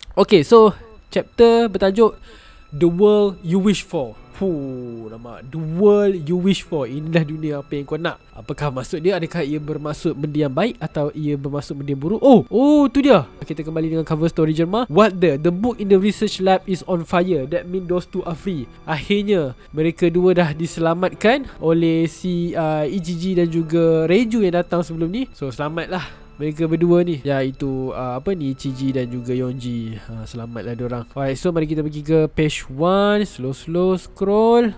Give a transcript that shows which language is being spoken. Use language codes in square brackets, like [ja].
[en] Okay, so chapter [ms] bertajuk [en] The World You Wish For. [ms] Fuh, nama The World You Wish For. Inilah dunia apa yang kau nak. Apakah maksud dia? Adakah ia bermaksud benda yang baik atau ia bermaksud benda yang buruk? Oh, oh tu dia. Kita kembali dengan cover story Jerma. [en] What the? The book in the research lab is on fire. That mean those two are free. [ms] Akhirnya mereka dua dah diselamatkan oleh si EGG dan juga Reju yang datang sebelum ni. So selamatlah mereka berdua ni, iaitu apa ni, Chiji dan juga Yeonji. Selamatlah diorang. [en] Alright, so [ms] mari kita pergi ke page 1. Slow-slow scroll.